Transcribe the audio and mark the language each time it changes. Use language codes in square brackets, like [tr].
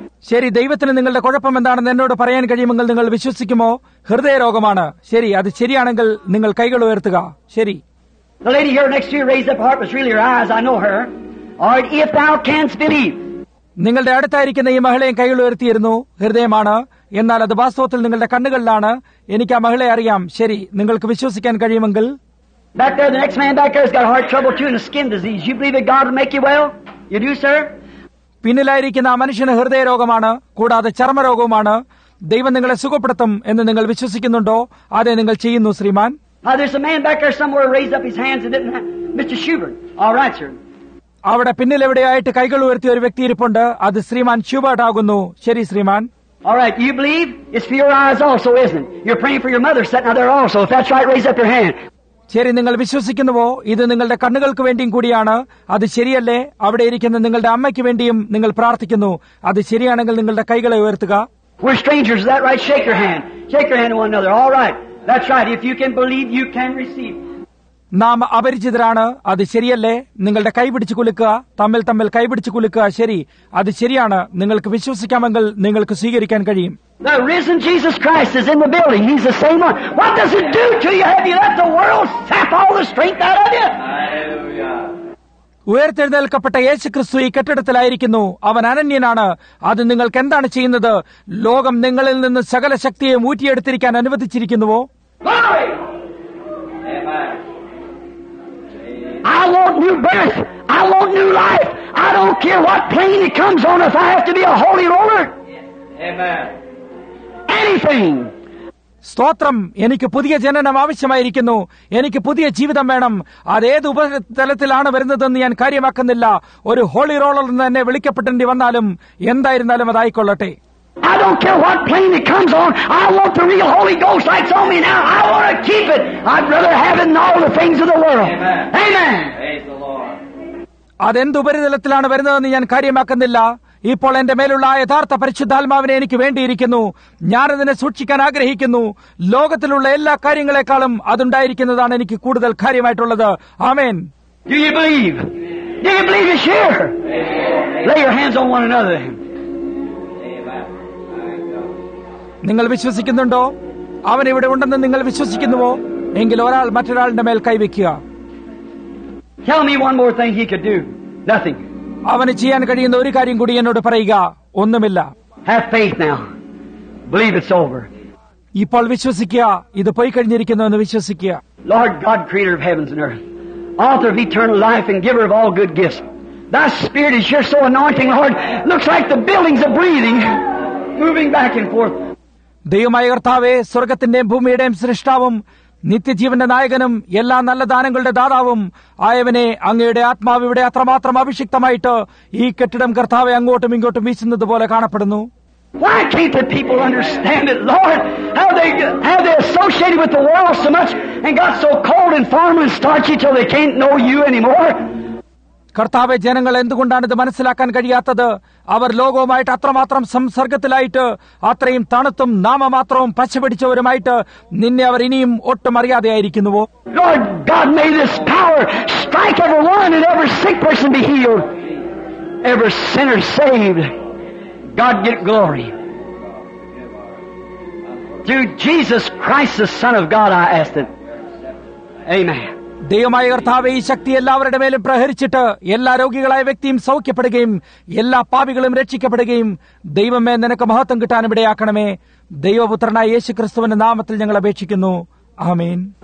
[ml] ശരി, ദൈവത്തിന് നിങ്ങളുടെ കുഴപ്പം എന്താണെന്ന് എന്നോട് പറയാൻ കഴിയുമെങ്കിൽ നിങ്ങൾ വിശ്വസിക്കുമോ? ഹൃദയ രോഗമാണ്. ശരി, അത് ശരിയാണെങ്കിൽ നിങ്ങൾ കൈകൾ ഉയർത്തുക. ശരി. [en] The lady here next to you raised up her heart, but it's really her eyes. I know her. All right, if thou canst believe. [ml] നിങ്ങളുടെ അടുത്തായിരിക്കുന്ന ഈ മഹിളയെ കൈകൾ ഉയർത്തിയിരുന്നു. ഹൃദയമാണ്. എന്നാൽ അത് വാസ്തവത്തിൽ നിങ്ങളുടെ കണ്ണുകളിലാണ്. എനിക്ക് ആ മഹിളയെ അറിയാം. ശരി, നിങ്ങൾക്ക് വിശ്വസിക്കാൻ കഴിയുമെങ്കിൽ. [en] Back there, the next man back there has got heart trouble too and a skin disease. You believe that God will make you well? You do, sir? [ml] പിന്നിലായിരിക്കുന്ന ആ മനുഷ്യന് ഹൃദയ രോഗമാണ്, കൂടാതെ ചർമ്മരോഗവുമാണ്. ദൈവം നിങ്ങളെ സുഖപ്പെടുത്തും എന്ന് നിങ്ങൾ വിശ്വസിക്കുന്നുണ്ടോ? അതെ, നിങ്ങൾ ചെയ്യുന്നു, ശ്രീമാൻ. [en] There's a man back there somewhere raised up his hands and didn't Mr. Schubert. All right, sir. [ml] അവിടെ പിന്നിൽ എവിടെയായിട്ട് കൈകൾ ഉയർത്തിയ ഒരു വ്യക്തി ഇരിപ്പുണ്ട്. അത് ശ്രീമാൻ ഷൂബർട്ട് ആകുന്നു. ശരി, ശ്രീമാൻ. [en] All right, you believe it's for your eyes also, isn't it? You're praying for your mother sitting out there also. If that's right, raise up your hand. [ml] ശരി, നിങ്ങൾ വിശ്വസിക്കുന്നുവോ? ഇത് നിങ്ങളുടെ കണ്ണുകൾക്ക് വേണ്ടിയും കൂടിയാണ്. അത് ശരിയല്ലേ? അവിടെ ഇരിക്കുന്ന നിങ്ങളുടെ അമ്മയ്ക്ക് വേണ്ടിയും നിങ്ങൾ പ്രാർത്ഥിക്കുന്നു. അത് ശരിയാണെങ്കിൽ നിങ്ങളുടെ കൈകളെ ഉയർത്തുക. [en] We're strangers, is that right? Shake your hand. Shake your hand to one another. All right. That's right. If you can believe, you can receive. [ml] നാം അപരിചിതരാണ്. അത് ശരിയല്ലേ? നിങ്ങളുടെ കൈപിടിച്ചു കുലുക്കുക. തമ്മിൽ തമ്മിൽ കൈപിടിച്ചു കുലുക്കുക. ശരി, അത് ശരിയാണ്. നിങ്ങൾക്ക് വിശ്വസിക്കാമെങ്കിൽ നിങ്ങൾക്ക് സ്വീകരിക്കാൻ കഴിയും. [en] The risen Jesus Christ is in the building. He's the same one. What does it do to you? Have you let the world sap all the strength out of you? Hallelujah. [ml] ഉയർത്തെഴുന്നേൽക്കപ്പെട്ട യേശുക്രിസ്തു ഈ കെട്ടിടത്തിലായിരിക്കുന്നു. അവൻ അനന്യനാണ്. അത് നിങ്ങൾക്ക് എന്താണ് ചെയ്യുന്നത്? ലോകം നിങ്ങളിൽ നിന്ന് സകല ശക്തിയെ ഊറ്റിയെടുത്തിരിക്കാൻ അനുവദിച്ചിരിക്കുന്നുവോ? [en] I want new birth. I want new life. I don't care what plane it comes on if I have to be a holy roller. Amen. Anything. [ml] സ്തോത്രം, എനിക്ക് പുതിയ ജനനം ആവശ്യമായിരിക്കുന്നു, എനിക്ക് പുതിയ ജീവിതം വേണം. അതേത് ഉപതലത്തിലാണ് വരുന്നതെന്ന് ഞാൻ കാര്യമാക്കുന്നില്ല. ഒരു ഹോളി റോളർ എന്ന് തന്നെ വിളിക്കപ്പെട്ടേണ്ടി വന്നാലും എന്തായിരുന്നാലും അതായിക്കൊള്ളട്ടെ. [en] I don't care what plane it comes on. I want the real Holy Ghost that's on me now. I want to keep it. I'd rather have it than all the things of the world. Amen. Amen. Praise the Lord. [ml] അതെന്ത് ഉപരിതലത്തിലാണ് വരുന്നതെന്ന് ഞാൻ കാര്യമാക്കുന്നില്ല. ഇപ്പോൾ എന്റെ മേലുള്ള ആ യഥാർത്ഥ പരിശുദ്ധാത്മാവിനെ എനിക്ക് വേണ്ടിയിരിക്കുന്നു. ഞാനതിനെ സൂക്ഷിക്കാൻ ആഗ്രഹിക്കുന്നു. ലോകത്തിലുള്ള എല്ലാ കാര്യങ്ങളെക്കാളും അതുണ്ടായിരിക്കുന്നതാണ് എനിക്ക് കൂടുതൽ കാര്യമായിട്ടുള്ളത്. ആമേൻ. [en] Do you believe? Do you believe it's here? Amen. Lay your hands on one another. [ml] നിങ്ങൾ വിശ്വസിക്കുന്നുണ്ടോ? അവൻ ഇവിടെ ഉണ്ടെന്ന് നിങ്ങൾ വിശ്വസിക്കുന്നുവോ? എങ്കിൽ ഒരാൾ മറ്റൊരാളിന്റെ മേൽ കൈവയ്ക്കുക. [en] Tell me one more thing he could do. Nothing. [ml] അവന് ചെയ്യാൻ കഴിയുന്ന ഒരു കാര്യം കൂടി എന്നോട് പറയുക. ഒന്നുമില്ല. [en] Have faith now. Believe it's over. [ml] ഇപ്പോൾ വിശ്വസിക്കുക. ഇത് പോയി കഴിഞ്ഞിരിക്കുന്നു എന്ന് വിശ്വസിക്കുക. [en] Lord God, creator of heavens and earth, author of eternal life and giver of all good gifts, thy spirit is here so anointing, Lord, looks like the buildings are breathing, moving back and forth. [ml] ദൈവമായ കർത്താവേ, സ്വർഗത്തിന്റെയും ഭൂമിയുടെയും സൃഷ്ടാവും നിത്യജീവന്റെ നായകനും എല്ലാ നല്ല ദാനങ്ങളുടെ ദാതാവും ആയവനെ, അങ്ങയുടെ ആത്മാവ് ഇവിടെ അത്രമാത്രം അഭിഷിക്തമായിട്ട് ഈ കെട്ടിടം കർത്താവെ അങ്ങോട്ടും ഇങ്ങോട്ടും വീശുന്നത് പോലെ കാണപ്പെടുന്നു. [en] Why can't the people understand it, Lord? How they associated with the world so much and got so cold and formless and starchy till they can't know you anymore? [ml] കർത്താവെ, ജനങ്ങൾ എന്തുകൊണ്ടാണ് ഇത് മനസ്സിലാക്കാൻ കഴിയാത്തത്? അവർ ലോകവുമായിട്ട് അത്രമാത്രം സംസർഗത്തിലായിട്ട് അത്രയും തണുത്തും നാമമാത്രവും പച്ചപിടിച്ചവരുമായിട്ട് നിന്നെ അവർ ഇനിയും ഒട്ടും അറിയാതെയായിരിക്കുന്നുവോ? [en] Lord God, may this power strike everyone and every sick person be healed. Every sinner saved. God get glory. Through Jesus Christ, the Son of God, I ask it. Amen. [ml] ദൈവമായ കർത്താവെ, ഈ ശക്തി എല്ലാവരുടെ മേലും പ്രഹരിച്ചിട്ട് എല്ലാ രോഗികളായ വ്യക്തിയും സൗഖ്യപ്പെടുകയും എല്ലാ പാപികളും രക്ഷിക്കപ്പെടുകയും ദൈവമേ, നിനക്ക് മഹത്വം കിട്ടാൻ ഇവിടെയാക്കണമേ. ദൈവപുത്രനായ യേശു ക്രിസ്തുവിന്റെ നാമത്തിൽ ഞങ്ങൾ അപേക്ഷിക്കുന്നു. ആമേൻ.